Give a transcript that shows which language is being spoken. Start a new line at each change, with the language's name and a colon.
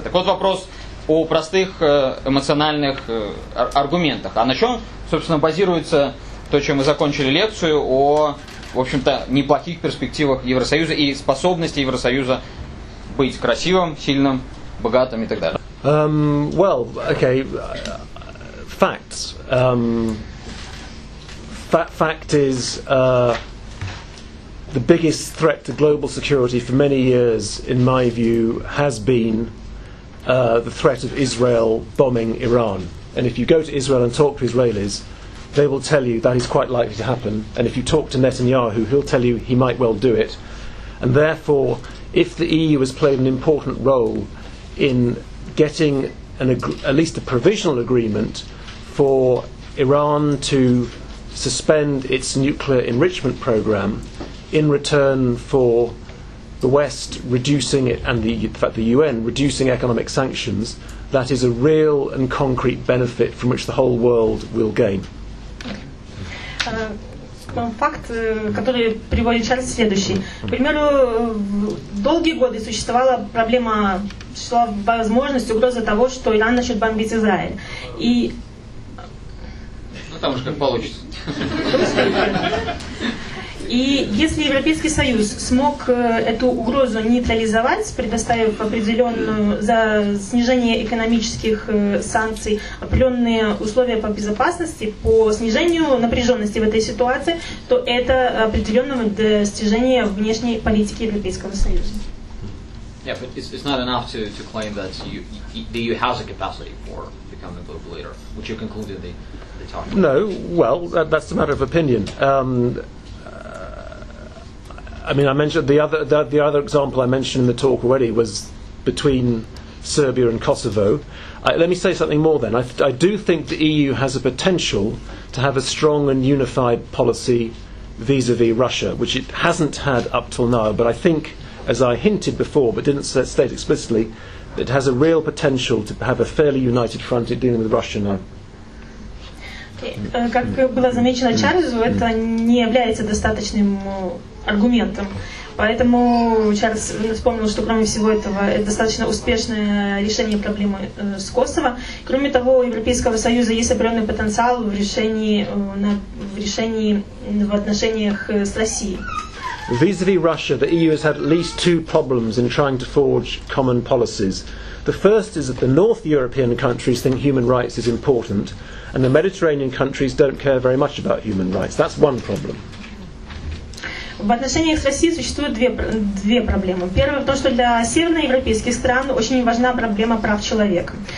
Russian: Так вот вопрос о простых эмоциональных аргументах. А на чем, собственно, базируется то, чем мы закончили лекцию, о, в общем-то, неплохих перспективах Евросоюза и способности Евросоюза быть красивым, сильным, богатым и так далее?
English: Facts. That fact is the biggest threat to global security for many years, in my view, has been the threat of Israel bombing Iran. And if you go to Israel and talk to Israelis, they will tell you that is quite likely to happen. And if you talk to Netanyahu, he'll tell you he might well do it. And therefore, if the EU has played an important role in getting at least a provisional agreement for Iran to suspend its nuclear enrichment program in return for the West reducing it and the UN reducing economic sanctions, that is a real and concrete benefit from which the whole world will gain.
Russian: Факт, который приводит Чарльз, следующий. К примеру, долгие годы существовала проблема, существовала возможность, угроза того, что Иран начнет бомбить Израиль. И там уж как получится. И если Европейский Союз смог эту угрозу нейтрализовать, предоставив определенную за снижение экономических санкций определенные условия по безопасности, по снижению напряженности в этой ситуации, то это определенное достижение внешней политики Европейского Союза.
English: Yeah, but it's not enough to claim that the EU has a capacity for becoming a global leader, which you concluded the talk. No, well, that's a matter of opinion. I mentioned the other example I mentioned in the talk already was between Serbia and Kosovo. Let me say something more then. I do think the EU has a potential to have a strong and unified policy vis-a-vis Russia, which it hasn't had up till now, but I think, as I hinted before but didn't state explicitly, it has a real potential to have a fairly united front in dealing with Russia now.
Russian: Как было замечено Чарльзу, это не является достаточным аргументом. Поэтому Чарльз вспомнил, что кроме всего этого, это достаточно успешное решение проблемы с Косово. Кроме того, у Европейского Союза есть определенный потенциал в отношениях с Россией.
English: Vis-à-vis Russia, the EU has had at least two problems in trying to forge common policies. The first is that the North European countries think human rights is important, and the Mediterranean countries don't care very much about human rights. That's one problem.
Russian: В отношениях с Россией существуют две проблемы. Первое в том, что для северноевропейских стран очень важна проблема прав человека.